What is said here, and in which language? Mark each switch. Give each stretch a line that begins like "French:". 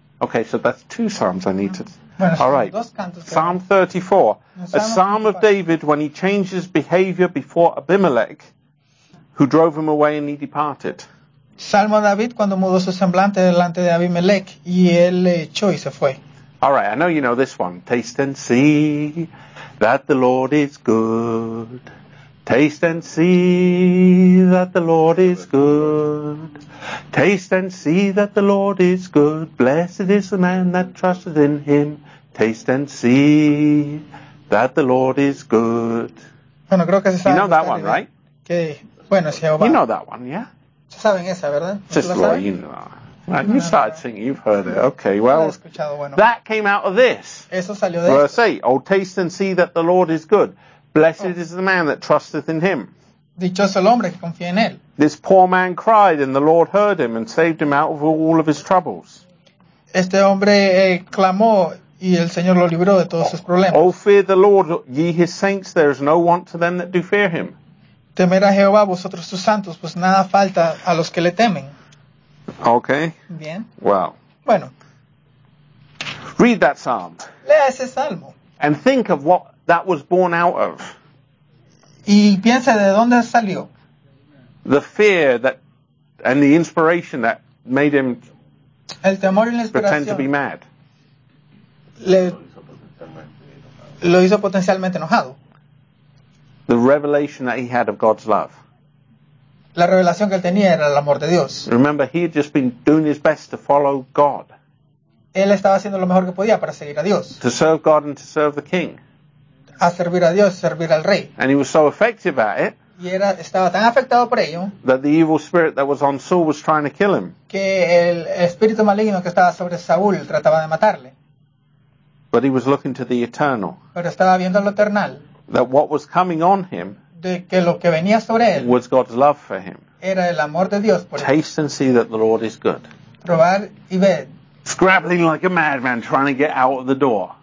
English: Okay, so that's two psalms I need to.
Spanish: Bueno,
English: all right, Psalm 34, a psalm of David when he changed his behavior before Abimelech, who drove him away and he departed.
Spanish: Salmo David cuando mudó su semblante delante de Abimelech y él le echó y se fue.
English: All right, I know you know this one. Taste and see that the Lord is good. Taste and see that the Lord is good. Taste and see that the Lord is good. Blessed is the man that trusteth in him. Taste and see that the Lord is good.
Spanish: Bueno, creo que se sabe.
English: You know that one, right?
Spanish: Que, bueno, si
English: you know that one, yeah?
Spanish: Se saben esa, ¿verdad?
English: Just Lord, you know. Right, you started singing, you've heard it. Okay, well,
Spanish: bueno.
English: That came out of this.
Spanish: Eso salió de
English: verse
Spanish: esto.
English: 8. Oh, taste and see that the Lord is good. Blessed is the man that trusteth in him.
Spanish: Dichoso el hombre que confía en él.
English: This poor man cried, and the Lord heard him and saved him out of all of his troubles.
Spanish: Este hombre clamó y el Señor lo libró de todos sus problemas.
English: Oh, fear the Lord, ye his saints, there is no want to them that do fear him.
Spanish: Temer a Jehová, vosotros sus santos, pues nada falta a los que le temen.
English: Okay.
Spanish: Bien.
English: Well.
Spanish: Bueno.
English: Read that psalm.
Spanish: Lea ese salmo.
English: And think of what that was born out of.
Spanish: Y piensa de dónde salió.
English: The fear that and the inspiration that made him
Spanish: el temor y la inspiración
English: pretend to be mad.
Spanish: Lo hizo potencialmente enojado.
English: The revelation that he had of God's love.
Spanish: La revelación que él tenía era el amor de Dios.
English: Remember, he had just been doing his best to follow God.
Spanish: Él estaba haciendo lo mejor que podía para seguir a Dios.
English: To serve God and to serve the king.
Spanish: A servir a Dios, servir al rey.
English: And he was so effective at it.
Spanish: Y era, estaba tan afectado por ello.
English: That the evil spirit that was on Saul was trying to kill him.
Spanish: Que el espíritu maligno que estaba sobre Saúl trataba de matarle.
English: But he was looking to the eternal.
Spanish: Pero estaba viendo lo eternal.
English: That what was coming on him.
Spanish: De que lo que venía sobre él.
English: Was God's love for him.
Spanish: Era el amor de Dios por él.
English: Taste and see that the Lord is good.
Spanish: Probar y ver.
English: Scrabbling like a madman trying to get out of the door.